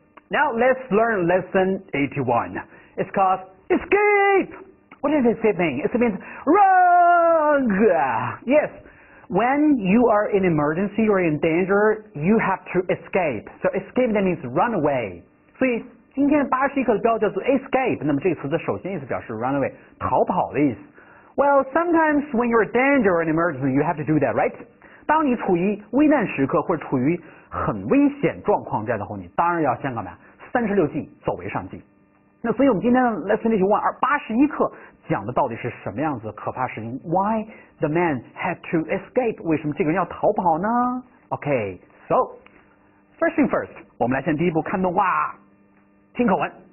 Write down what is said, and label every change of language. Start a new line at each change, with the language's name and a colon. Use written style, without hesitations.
English: Now let's learn lesson 81. It's called escape. What does it mean? It means run. Yes, when you are in emergency or in danger, you have to escape. So escape, that means run away.
Chinese: 所以今天巴西课的标叫做 escape， 那么这个词的首先意思表示 run away， 逃跑的意思。
English: Well, sometimes when you're in danger or in emergency, you have to do that, right?
Chinese: 当你处于危难时刻或者处于很危险状况下的时候，你当然要先干嘛？三十六计，走为上计。那所以我们今天的 lesson 81而八十一课讲的到底是什么样子的可怕事情 ？
English: Why the man had to escape？
Chinese: 为什么这个人要逃跑呢 ？
English: Okay, so first thing first，
Chinese: 我们来先第一步看动画，听口吻。